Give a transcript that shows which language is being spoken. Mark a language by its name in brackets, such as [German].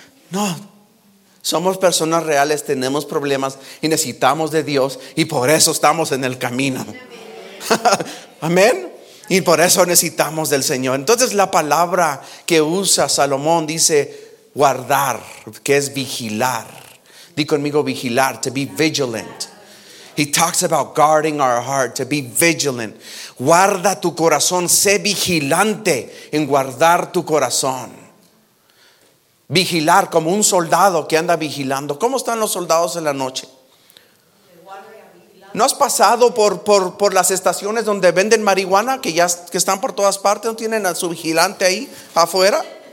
[Spanish] No, somos personas reales, tenemos problemas y necesitamos de Dios, y por eso estamos en el camino. Amén. Y por eso necesitamos del Señor. Entonces la palabra que usa Salomón dice guardar, que es vigilar. Di conmigo vigilar, [English] to be vigilant. He talks about guarding our heart, to be vigilant. [Spanish] Guarda tu corazón, sé vigilante en guardar tu corazón. Vigilar como un soldado que anda vigilando. ¿Cómo están los soldados en la noche? ¿No has pasado por las estaciones donde venden marihuana que están por todas partes? ¿No tienen a su vigilante ahí afuera?